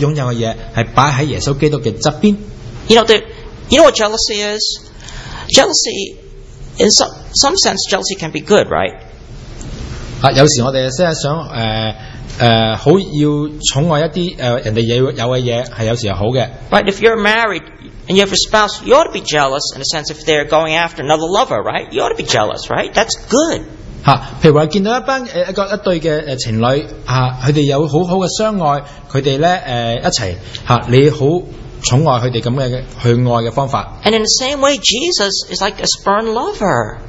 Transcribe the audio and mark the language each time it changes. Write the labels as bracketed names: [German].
[Chinese] 雖然他們自己說他們是基督徒,但是他們內心裏面,他們所擁有的,所要喜愛的愛,所擁有的東西,是放在耶穌基督的旁邊。 [English] You know what jealousy is? Jealousy, in some sense, jealousy can be good, right? [Chinese] 有時我們真的想很要寵愛一些別人有的東西,是有時是好的。 [English] Right, if you're married, and you have a spouse, you ought to be jealous, in a sense, if they're going after another lover, right? You ought to be jealous, right? That's good. [Chinese] 譬如說見到一對情侶,他們有很好的相愛,他們一起,你很寵愛他們這樣去愛的方法。 [English] And in the same way, Jesus is like a spurned lover.